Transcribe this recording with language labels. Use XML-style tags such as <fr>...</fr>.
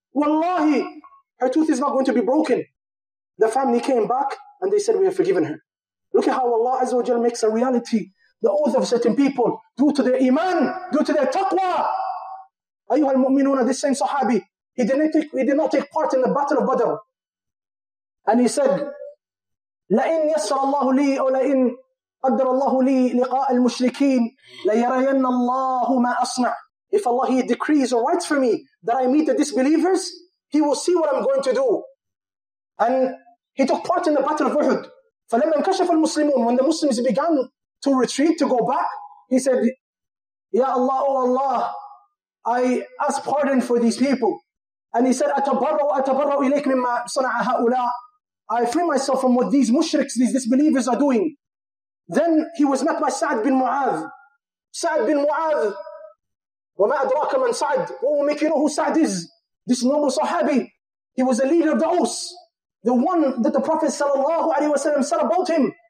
<en>Wallahi, her tooth is not going to be broken. The family came back and they said, we have forgiven her. Look at how Allah Azza wa Jal makes a reality the oath of certain people due to their iman, due to their taqwa. Ayyuhal mu'minuna, this same sahabi, he did not take part in the battle of Badr. And he said,</en> <ar>لَإِنْ يَسْرَ اللَّهُ لِي أَوْ لَإِنْ قَدَّرَ اللَّهُ لِي لِقَاءَ الْمُشْرِكِينَ لَيَرَيَنَّ اللَّهُ مَا أَصْنَعُ.</ar> <en>If Allah, He decrees or writes for me that I meet the disbelievers, He will see what I'm going to do. And he took part in the battle of Uhud.</en> <ar>فَلَمَّا انْكَشَفَ الْمُسْلِمُونَ,</ar> <en>when the Muslims began to retreat, to go back, he said, Ya Allah, oh Allah, I ask pardon for these people. And he said,</en> <ar>أَتَبَرَّوْا إِلَيْكَ مِمَّا صَنَعَ هَؤُلَاءِ.</ar> <en>I free myself from what these mushriks, these disbelievers are doing. Then he was met by Sa'd bin Mu'adh.</en> <ar>Sa'd bin Mu'adh. وَمَا أَدْرَاكَ مَنْ سَعْدْ.</ar> <en>What will make you know who Sa'd is? This noble sahabi. He was a leader of the Aus. The one that the Prophet sallallahu alayhi wa sallam said about him.</en>